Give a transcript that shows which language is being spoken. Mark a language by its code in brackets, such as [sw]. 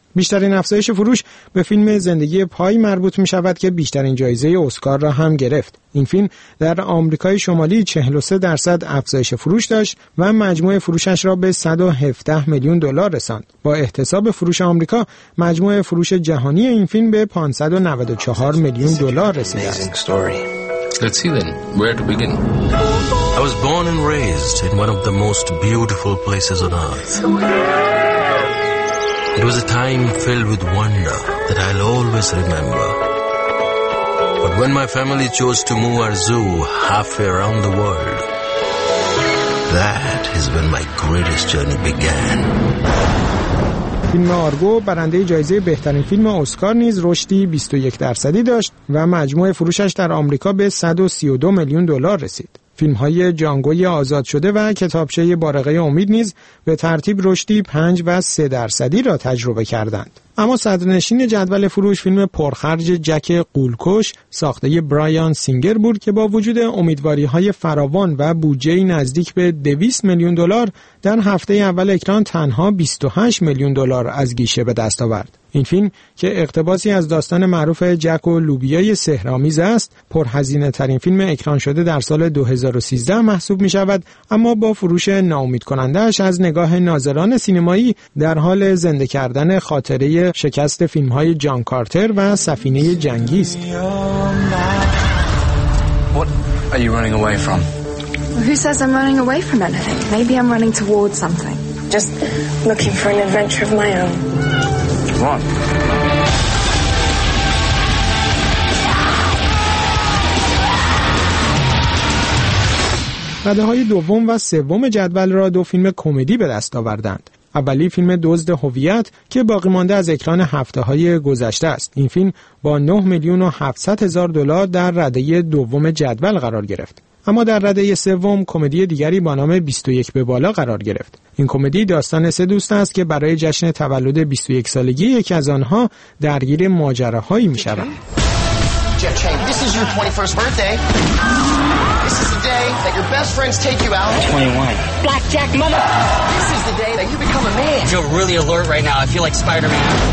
[fa] بیشترین افزایش فروش به فیلم زندگی پای مربوط می شود که بیشترین جایزه اسکار را هم گرفت. این فیلم در آمریکای شمالی 43% افزایش فروش داشت و مجموع فروشش را به 117 میلیون دلار رساند. با احتساب فروش آمریکا، مجموع فروش جهانی این فیلم به 594 میلیون دلار رسیده است. [en] Let's see then, where to begin? I was born and raised in one of the most beautiful places on earth. It was a time filled with wonder that I'll always remember. But When my family chose to move our zoo halfway around the world, that is when my greatest journey began. [fa] فیلم آرگو برنده جایزه بهترین فیلم اسکار نیز رشدی 21% داشت و مجموع فروشش در آمریکا به 132 میلیون دلار رسید. فیلم‌های جانگوی آزاد شده و کتابچه بارقه امید نیز به ترتیب رشدی 5% و 3% را تجربه کردند. اما صدرنشین جدول فروش فیلم پرخرج جک قولکش ساخته برایان سینگر بود که با وجود امیدواری‌های فراوان و بودجه نزدیک به 200 میلیون دلار در هفته اول اکران تنها 28 میلیون دلار از گیشه به دست آورد. این فیلم که اقتباسی از داستان معروف جک و لوبیای سحرآمیز است، پرهزینه‌ترین فیلم اکران شده در سال 2013 محسوب می‌شود، اما با فروش ناامیدکننده‌اش از نگاه ناظران سینمایی در حال زنده کردن خاطره شکست فیلم‌های جان کارتر و سفینه جنگی است. [en] What are you running away from? Who says I'm running away from anything? Maybe I'm running towards something. Just looking for an adventure of my own. What? [fa] رده‌های دوم و سوم جدول را دو فیلم کمدی به دست آوردند. اولی فیلم دزد هویت که باقی مانده از اکران هفته‌های گذشته است. این فیلم با 9 میلیون و 700 هزار دلار در رده دوم جدول قرار گرفت. اما در رده سوم کمدی دیگری با نام 21 به بالا قرار گرفت. این کمدی داستان سه دوست است که برای جشن تولد 21 سالگی یکی از آنها درگیر ماجراهایی می‌شوند. [en] This is your 21st birthday. This is the day that your best friends take you out. 21. Blackjack, mama. This is the day that you become a man. I feel really alert right now. I feel like Spider-Man.